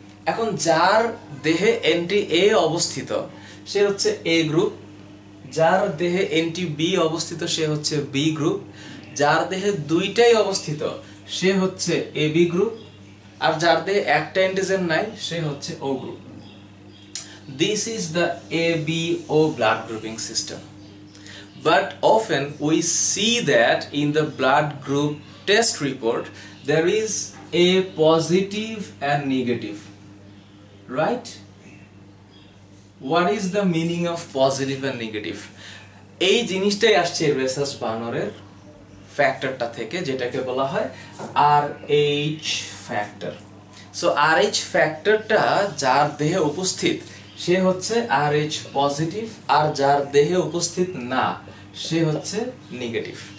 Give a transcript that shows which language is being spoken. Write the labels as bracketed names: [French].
[Bangla] এখন যার দেহে অ্যান্টি এ অবস্থিত সে হচ্ছে এ গ্রুপ, যার দেহে অ্যান্টি বি অবস্থিত সে হচ্ছে বি গ্রুপ, যার দেহে দুইটাই অবস্থিত সে হচ্ছে এ বি গ্রুপ, আর যার দেহে একটা অ্যান্টিজেন নাই সে হচ্ছে ও group. [English] This is the A B O blood grouping system. But often we see that in the blood group test report there is a positive and negative, right? What is the meaning of positive and negative? [Bangla] এই জিনিসটাই আসছে rhesus বানরের ফ্যাক্টরটা থেকে যেটাকে বলা হয় আর H factor. So আর H ফ্যাক্টরটা যার দেহে উপস্থিত সে হচ্ছে আর এইচ পজিটিভ, আর যার দেহে উপস্থিত না সে হচ্ছে নেগেটিভ।